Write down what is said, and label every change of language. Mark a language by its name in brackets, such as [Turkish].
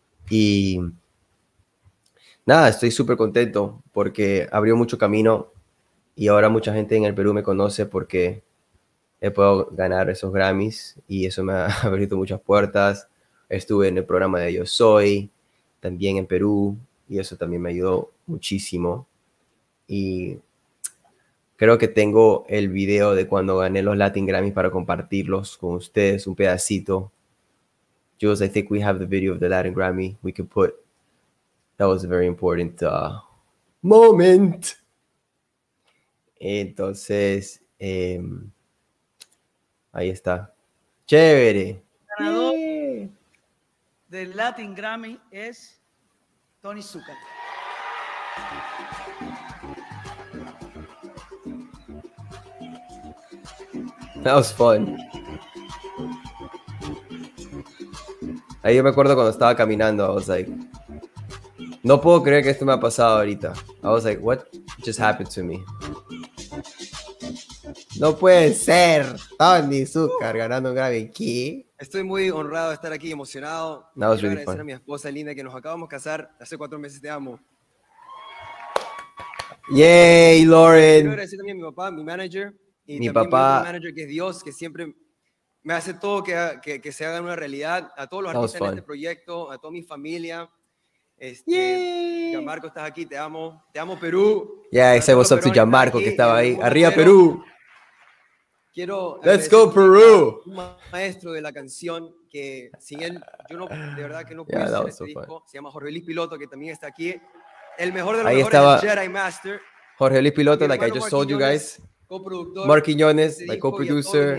[Spanish] Y nada, estoy súper contento porque abrió mucho camino y ahora mucha gente en el Perú me conoce porque he podido ganar esos Grammys y eso me ha abierto muchas puertas. Estuve en el programa de Yo Soy, también en Perú, y eso también me ayudó muchísimo. Y creo que tengo el video de cuando gané los Latin Grammys para compartirlos con ustedes, un pedacito. [English] Jules, I think we have the video of the Latin Grammy we could put. That was a very important moment. [Spanish] Entonces, ahí está. ¡Chévere! El ganador del Latin Grammy es Tony Zucca. [English] That was fun. [Spanish] Ahí yo me acuerdo cuando estaba caminando, [English] I was like, [Spanish] no puedo creer que esto me ha pasado ahorita. [English] I was like, what just happened to me? [Spanish] No puede ser. Tony Zucker ganando un Grammy. ¿Qué? Estoy muy honrado de estar aquí, emocionado. [English] That was really fun. [Spanish] Agradecer a mi esposa linda que nos acabamos de casar hace 4 meses. Te amo. [English] Yay, Lauren. [Spanish] Quiero agradecer también a mi papá, mi manager. Y mi papá. Mi manager, que es Dios, que siempre me hace todo que se haga una realidad. A todos los artistas en este proyecto, a toda mi familia. Gianmarco, estás aquí, te amo. Te amo, Perú. [English] Yeah, I say what's up to Gianmarco, [Spanish] que estaba ahí. Arriba, Perú. Quiero. [English] Let's go, Perú. [Spanish] Un maestro de la canción que sin él, yo no, de verdad que no puedo hacer este disco. Se llama Jorge Luis Piloto, que también está aquí. El mejor de los mejores, Jedi Master. [English] Jorge Luis Piloto, like I just told you guys. [Spanish] Coproductor. [English] Mark Quiñones, my co-producer.